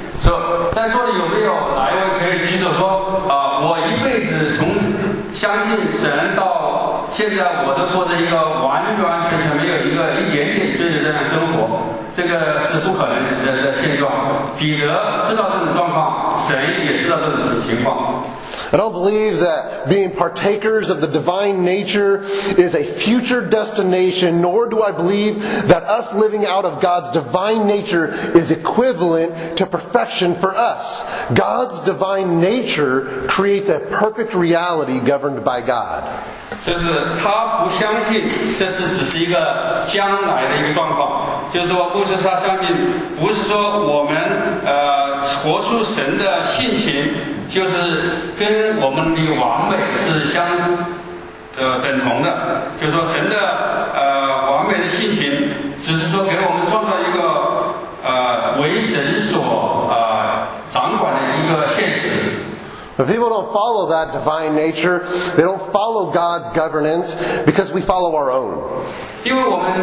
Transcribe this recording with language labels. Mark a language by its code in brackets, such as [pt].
[zh] So, 在座的有没有哪一位可以举手说，我一辈子从相信神到现在我都过着一个完完全全没有一点点罪的这样生活，这个是不可能的现状。彼得知道这种状况，神也知道这种情况。 [en] I don't believe that being partakers of the divine nature is a future destination, nor do I believe that us living out of God's divine nature is equivalent to perfection for us. God's divine nature creates a perfect reality governed by God. [zh] 就是他不相信这是只是一个将来的一个状况，就是说不是他相信，不是说我们活出神的性情就是跟我们的完美是相等同的，就是说神的完美的性情只是说给我们创造一个为神所掌管的一个现实。 [en] But people don't follow that divine nature, they don't follow God's governance, because we follow our own.